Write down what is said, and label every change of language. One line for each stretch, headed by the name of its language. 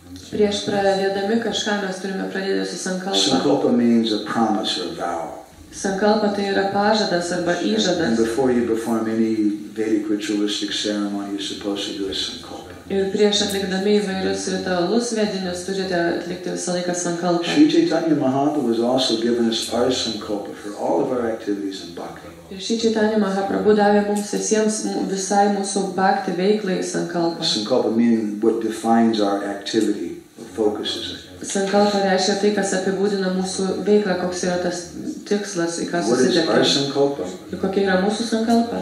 Lithuanian: Prieš pradėdami kažką, mes turime pradėti su sankalpa.
English: Sankalpa means a promise or a vow.
Lithuanian: Sankalpa tai yra pažadas arba įžadas.
English: And before you perform any Vedic ritualistic ceremony, you're supposed to do a sankalpa.
Lithuanian: Ir prieš atlikdami įvairius ritualus vedinius, turite atlikti visą laiką sankalpą.
English: Sri Chaitanya Mahaprabhu has also given us our sankalpa for all of our activities in bhakti.
Lithuanian: Ir Sri Chaitanya Mahaprabhu davė mums visiems visai mūsų bhakti veiklai sankalpą.
English: Sankalpa means what defines our activity, what focuses it.
Lithuanian: Sankalpa reiškia tai, kas apibūdina mūsų veiklą, koks yra tas tikslas, į ką susitelkti. Kokia yra mūsų sankalpa?